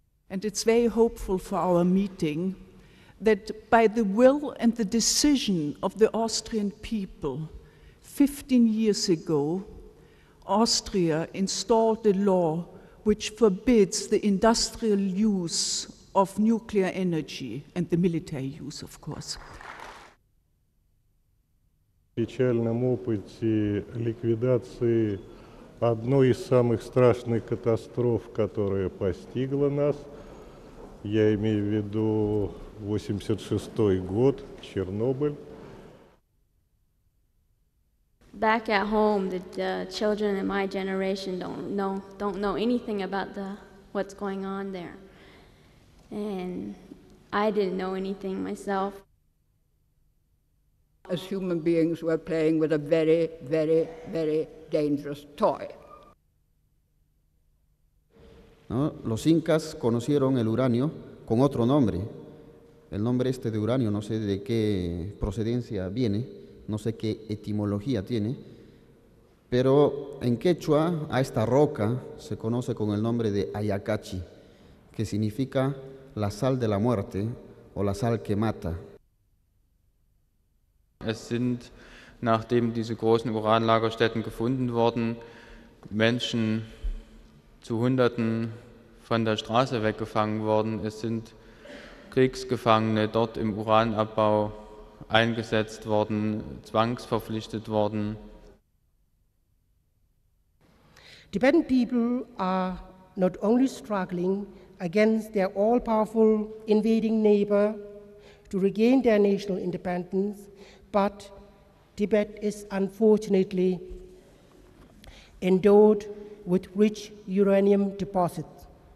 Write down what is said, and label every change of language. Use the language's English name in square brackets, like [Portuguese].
[English] and it's very hopeful for our meeting, that by the will and the decision of the Austrian people, 15 years ago, Austria installed a law which forbids the industrial use of nuclear energy and the military use, of course. [Russian] Печальном опыте ликвидации одной из самых страшных катастроф, которая постигла нас, я имею в виду 86-й год, Чернобыль. [English] Back at home, the children in my generation don't know anything about what's going on there, and I didn't know anything myself. As human beings, we're playing with a very, very, very dangerous toy. [Spanish] No, los incas conocieron el uranio con otro nombre. El nombre este de uranio, no sé de qué procedencia viene. No sé qué etimología tiene, pero en quechua a esta roca se conoce con el nombre de ayacachi, que significa la sal de la muerte o la sal que mata. [German] Es sind, nachdem diese großen Uranlagerstätten gefunden wurden, Menschen zu Hunderten von der Straße weggefangen worden. Es sind Kriegsgefangene dort im Uranabbau eingesetzt worden, zwangsverpflichtet worden. [English] Tibetan people are not only struggling against their all-powerful invading neighbor to regain their national independence, but Tibet is unfortunately endowed with rich uranium deposits.